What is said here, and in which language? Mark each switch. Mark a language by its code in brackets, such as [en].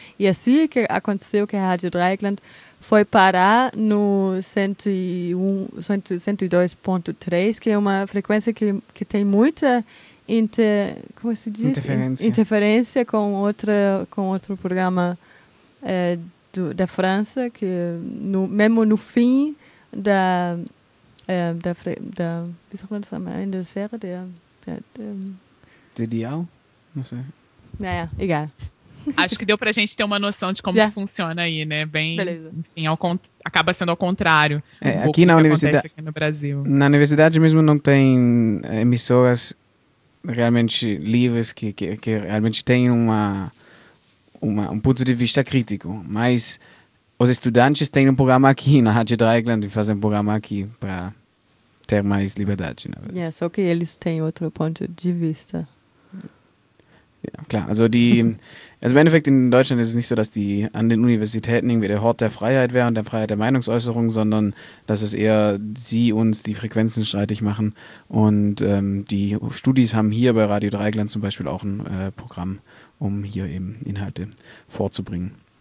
[pt] E assim que aconteceu que a Rádio Dreieckland foi parar no 102.3, que é uma frequência que tem muita interferência com outro programa da França, que mesmo no fim da... [de] wie sagt man das am Ende der Sphäre? Der Dial? [pt] Não sei. [de] Naja, egal. [pt] Acho que deu pra gente ter uma noção de como funciona aí, né? Bem, beleza. Enfim, acaba sendo ao contrário. Aqui na universidade. Aqui no Brasil. Na universidade mesmo não tem emissoras realmente livres que realmente têm um ponto de vista crítico, mas. Os estudantes têm um programa aqui na Rádio Dreieckland e fazem um programa aqui para ter mais liberdade, na verdade. Yeah, só que eles têm outro ponto de vista. [de] Yeah, klar, also im Endeffekt in Deutschland ist es nicht so, dass die an den Universitäten irgendwie der Hort der Freiheit wäre und der Freiheit der Meinungsäußerung, sondern dass es eher sie uns die Frequenzen streitig machen. Und die Studis haben hier bei Radio Dreieckland zum Beispiel auch ein Programm, um hier eben Inhalte vorzubringen.